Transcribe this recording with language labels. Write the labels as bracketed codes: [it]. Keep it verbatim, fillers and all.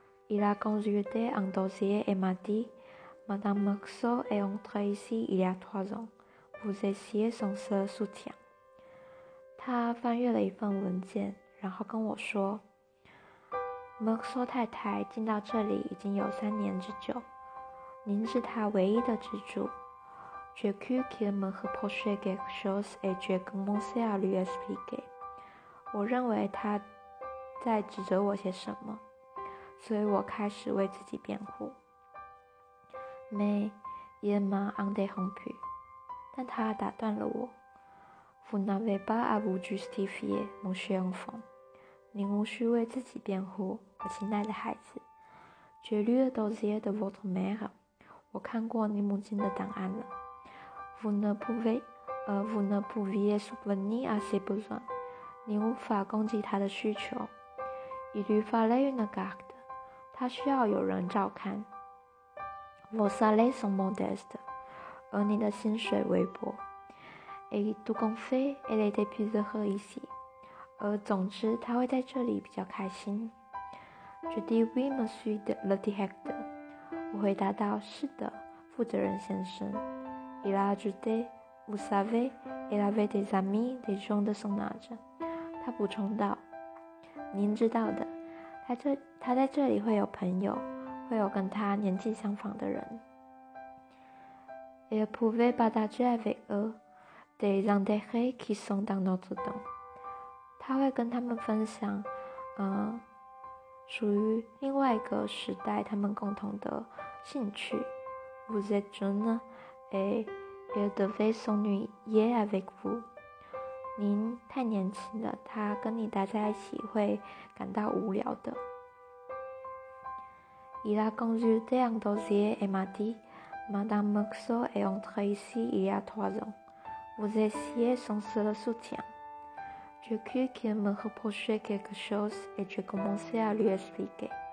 [fr] Il a consulté un dossier et m'a dit : Madame Marceau est entrée ici il y a trois ans. Vous étiez son seul soutien。 [zh] 他翻阅了一份文件，然后跟我说：Marceau太太进到这里已经有三年之久，您是她唯一的支柱。 [fr] J'ai cru qu'il me reprochait quelque chose et j'ai commencé à lui expliquer. [zh] 我认为他在指责我些什么，所以我开始为自己辩护。 [fr] Mais il m'a interrompu. [zh] 但他打断了我。 [fr] Vous n'avez pas à vous justifier, mon cher enfant. [zh] 您无需为自己辩护，我亲爱的孩子。 [fr] J'ai lu le dossier de votre mère. [zh] 我看过你母亲的档案了。 [fr] Vous ne pouvez, euh, vous ne pouviez subvenir à ses besoins. [zh] 你无法供给她的需求。 [fr] Il lui fallait une garde. [zh] 她需要有人照看。 [fr] Vos salaires sont modestes. [zh] 而你的薪水微薄。 [fr] Et tout compte fait, elle était plus heureuse ici. [zh] 而总之他会在这里比较开心。 [fr] Je dis oui, monsieur le directeur. [zh] 我回答道，是的，负责人先生。 [fr] Il a ajouté, vous savez, il avait des amis, des gens de son âge. [zh] 他补充道，您知道的，他这他在这里会有朋友，会有跟他年纪相仿的人。 [fr] Il pouvait partager avec eux des intérêts qui sont dans notre don. [zh] 他会跟他们分享，嗯，属于另外一个时代他们共同的兴趣。 [fr] Vous êtes jeune et il devait s'ennuyer avec vous. [zh] 您太年轻了，他跟你待在一起会感到无聊的。 [fr] Il a consulté un dossier et m'a dit, Madame Marceau est entrée ici il y a trois ans. Vous étiez son seul soutien. Je crus qu'il me reprochait quelque chose et je commençais à lui expliquer.